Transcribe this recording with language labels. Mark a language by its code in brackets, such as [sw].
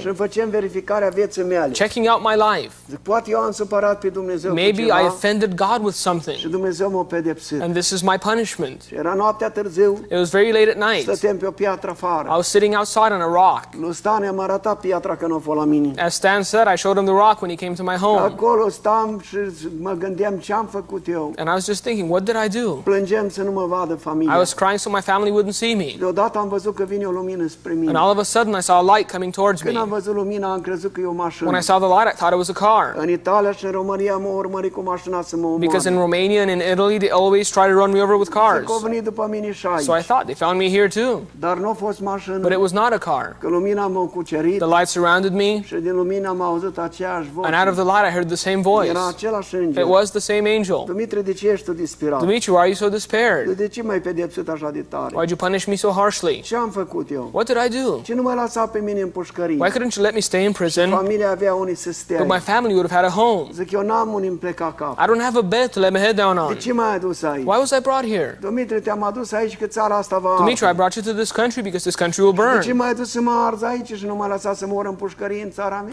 [ro] Și făceam verificarea vieții mele. [en] Checking out my life. [ro] Zic, poate eu am supărat pe Dumnezeu. [en] Maybe I offended God with something. [ro] Și Dumnezeu m-a pedepsit. [en] And this is my punishment. [ro] Era noaptea târziu. [en] It was very late at night. [ro] Stăteam pe o piatră afară. [en] I was sitting outside on a rock. [ro] Lui Stan i-am arătat piatra când a fost la mine. [en] As Stan said, I showed him the rock when he came to my home. [ro] Acolo stăm și mă gândeam ce am făcut eu. [en] And I was just thinking, what did I do? [ro] Plângeam să nu mă vadă familia. [en] I was crying so my family wouldn't see me. [ro] Deodată am văzut că vine o lumină spre mine. [en] And all of a sudden I saw a light coming towards me. [ro] Când am văzut lumina, am crezut că e o mașină. [en] When I saw the light, I thought it was a car. [ro] În Italia și în România m-au urmărit cu mașina să mă omoare. [en] Because in Romania and in Italy they always try to run me over with cars. [ro] Zic, au venit după mine și aici. [en] So I thought they found me here too. [ro] Dar n-a fost mașină. [en] But it was not a car. [ro] Că lumina m-a cucerit. [en] The light surrounded me. [ro] Și din lumină am auzit aceeași voce. [en] And out of the light I heard the same voice. [ro] Era același înger. [en] It was the same angel. [ro] Dimitru, de ce ești tu disperat? [en] Dimitru, why are you so despaired? [ro] De ce m-ai pedepsit așa? [en] Why'd you punish me so harshly? [ro] Ce am făcut eu? [en] What did I do? [ro] Ce nu m-ai lăsat pe mine în pușcărie? [en] Why couldn't you let me stay in prison? [ro] Familia avea unde să stea. [en] But my family would have had a home. [ro] Zic, eu n-am unde îmi pleca cap. [en] I don't have a bed to lay my head down on. [ro] De ce m-ai adus aici? [en] Why was I brought here? [ro] Dumitru, te-am adus aici că țara asta va arde. [en] Dimitru, I brought you to this country because this country will burn. [ro] De ce m-ai adus să mă arzi aici și nu m-ai lăsat să mor în pușcărie în țara mea?